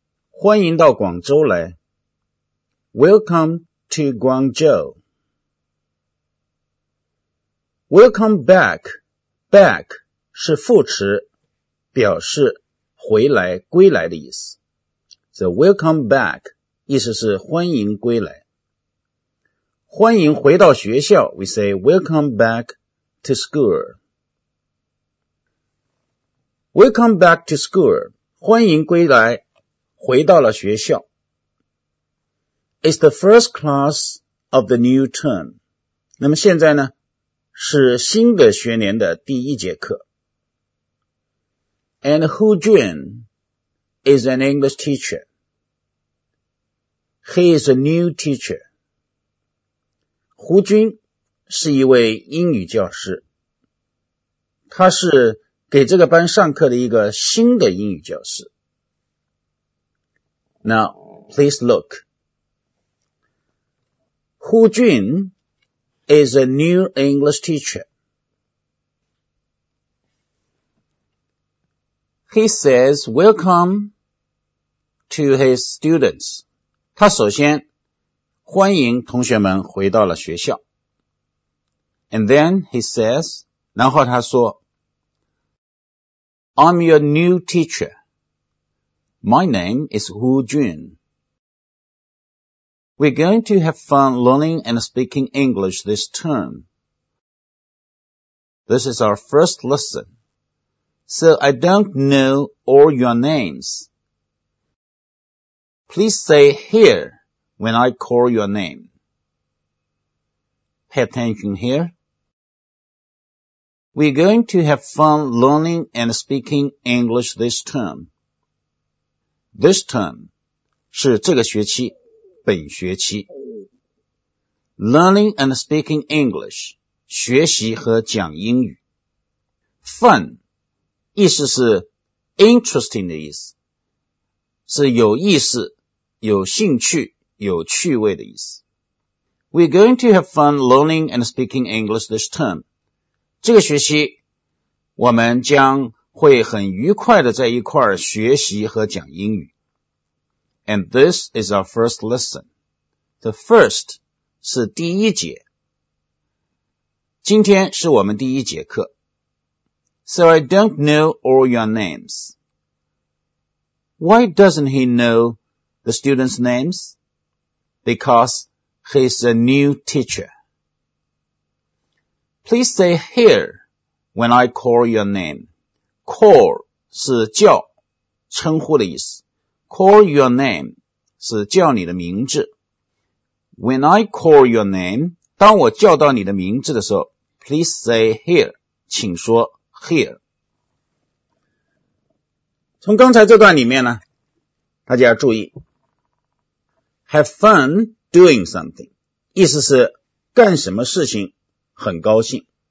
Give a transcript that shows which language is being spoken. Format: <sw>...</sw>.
<zh>欢迎到广州来。</zh> <en>Welcome to Guangzhou. Welcome back.</en> <zh>Back 是副词，表示回来、归来的意思。</zh> <en>So welcome back</en> <zh>意思是欢迎归来。欢迎回到学校</zh> <en>,we say welcome back to school. Welcome back to school,</en> <zh>欢迎归来回到了学校。</zh> <en>It's the first class of the new term.</en> <zh>那么现在呢是新的学年的第一节课。</zh> <en>And Hu Jun is an English teacher. He is a new teacher.</en> <zh>胡军是一位英语教师，他是给这个班上课的一个新的英语教师。</zh> <en>Now, please look. 胡军 is a new English teacher. He says welcome to his students.</en> <zh>他首先欢迎同学们回到了学校。</zh> <en>And then he says,</en> <zh>然后他说</zh> <en>I'm your new teacher. My name is Hu Jun. We're going to have fun learning and speaking English this term. This is our first lesson. So I don't know all your names. Please say here. When I call your name. Pay attention here. We're going to have fun learning and speaking English this term. This term</en> <zh>是这个学期本学期。</zh> <en>Learning and speaking English,</en> <zh>学习和讲英语。 Fun, 意思是 interesting 的意思。是有意思有兴趣。有趣味的意思。</zh> <en>We're going to have fun learning and speaking English this term.</en> <zh>这个学期我们将会很愉快的在一块儿学习和讲英语。</zh> <en>And this is our first lesson. The first</en> <zh>是第一节。今天是我们第一节课。</zh> <en>So I don't know all your names. Why doesn't he know the students' names? Because he's a new teacher. Please say here when I call your name.</en> <zh>Call 是叫称呼的意思。</zh> <en>Call your name</en> <zh>是叫你的名字。</zh> <en>When I call your name,</en> <zh>当我叫到你的名字的时候</zh> <en>please say here,</en> <zh>请说</zh> <en>here.</en> <zh>从刚才这段里面呢大家注意。</zh> <en>Have fun doing something.</en> <zh>意思是干什么事情很高兴。</zh>